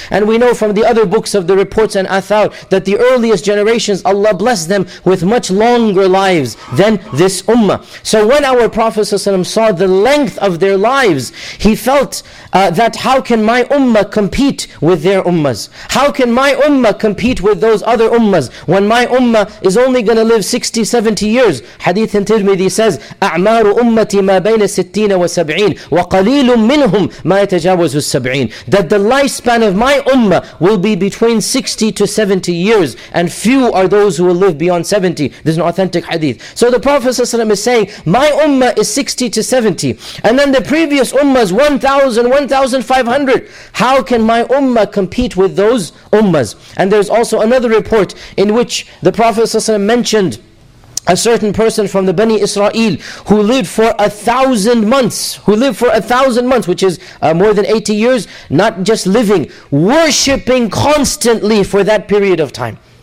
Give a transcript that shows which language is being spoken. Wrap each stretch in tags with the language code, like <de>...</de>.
<en>And we know from the other books of the reports and athar, that the earliest generations, Allah blessed them with much longer lives than the this ummah. So when our Prophet ﷺ saw the length of their lives, he felt that how can my ummah compete with their ummahs? How can my ummah compete with those other ummahs when my ummah is only going to live 60, 70 years? Hadith in Tirmidhi says,</en> <ar>أَعْمَارُ أُمَّتِي مَا بَيْنَ 60 وَسَبْعِينَ وَقَلِيلٌ مِّنْهُمْ مَا يَتَجَاوَزُ السَّبْعِينَ.</ar> <en>That the lifespan of my ummah will be between 60 to 70 years, and few are those who will live beyond 70. This is an authentic hadith. So the Prophet ﷺ is saying, my ummah is 60 to 70. And then the previous ummah is 1,000, 1,500. How can my ummah compete with those ummahs? And there's also another report in which the Prophet ﷺ mentioned a certain person from the Bani Israel who lived for 1,000 months, who lived for 1,000 months, which is more than 80 years, not just living, worshipping constantly for that period of time.</en>